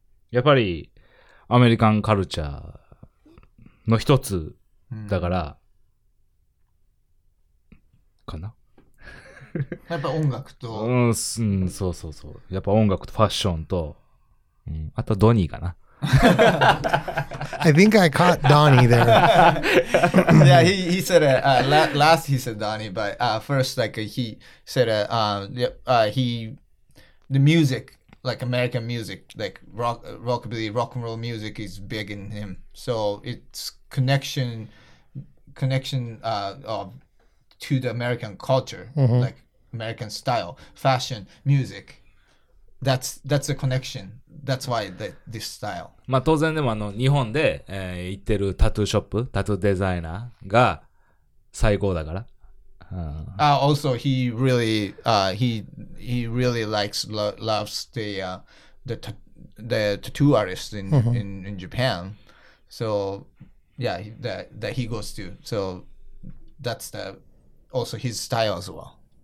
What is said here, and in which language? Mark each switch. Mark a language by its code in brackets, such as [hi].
[ja] やっぱりアメリカンカルチャーの一つだからかな。やっぱ音楽と、うん、うん、そうそうそう、やっぱ音楽とファッションと、うん、あとドニーかな。 [en] I think I caught Donnie there. Yeah, he said last he said Donnie, but first like he said he the music like American music like rockabilly rock and roll music is big in him. So it's connection of to the American culture, mm-hmm. like American style, fashion, music. That's a connection. That's why this style. [ja] まあ当然でもあの日本で、行ってるタトゥーショップ、タトゥーデザイナーが最高だから。 [en] Also, he really likes loves the tattoo artist in, mm-hmm. in Japan. So yeah, that he goes to. So that's the also his style as well.